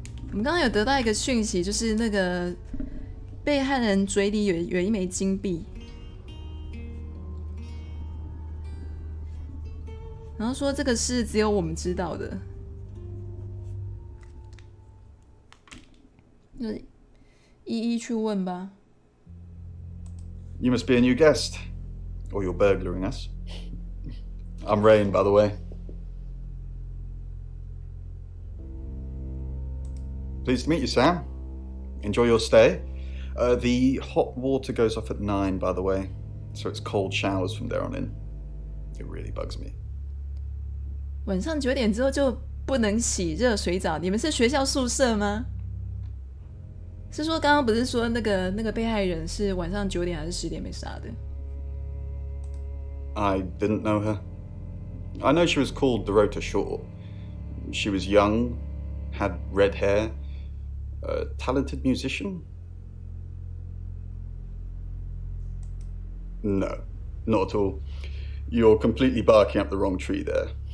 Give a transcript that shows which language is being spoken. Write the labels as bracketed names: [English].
[Chinese] 我们刚刚有得到一个讯息，就是那个被害人嘴里 有一枚金币，然后说这个是只有我们知道的，就一一去问吧。 [English] You must be a new guest, or you're burglaring us. I'm Rain, by the way. Pleased to meet you, Sam. Enjoy your stay. The hot water goes off at 9, by the way, so it's cold showers from there on in. It really bugs me. [Chinese] 晚上九点之后就不能洗热水澡？你们是学校宿舍吗？是说刚刚不是说那个被害人是晚上九点还是十点被杀的 [English] ？I didn't know her. I know she was called the Rota Shaw. She was young, had red hair, a talented musician. No, not at all. You're completely barking up the wrong tree there.